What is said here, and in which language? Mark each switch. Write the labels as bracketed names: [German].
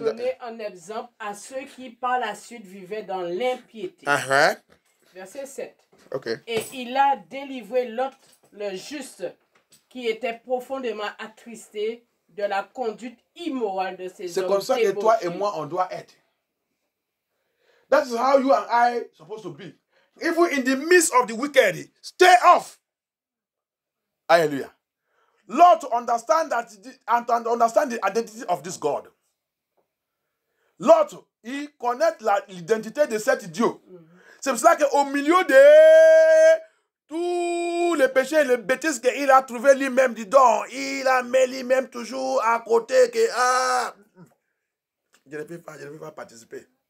[French] Donner un exemple à ceux qui par la suite vivaient dans l'impiété. Uh-huh. Verset 7. Okay. Et il a délivré Lot, le juste, qui était profondément attristé de la conduite immorale de ses hommes. C'est comme ça que toi et moi, on doit être. [English] That is how you and I are supposed to be. Even in the midst of the wicked, stay off. Hallelujah. Lord, to understand that and understand the identity of this God. [French] Lord, il connaît l'identité de cet Dieu. Mm-hmm. C'est pour cela qu'au milieu de tous les péchés et les bêtises qu'il a trouvé lui-même dedans, il a mis lui-même toujours à côté que je ne peux pas participer.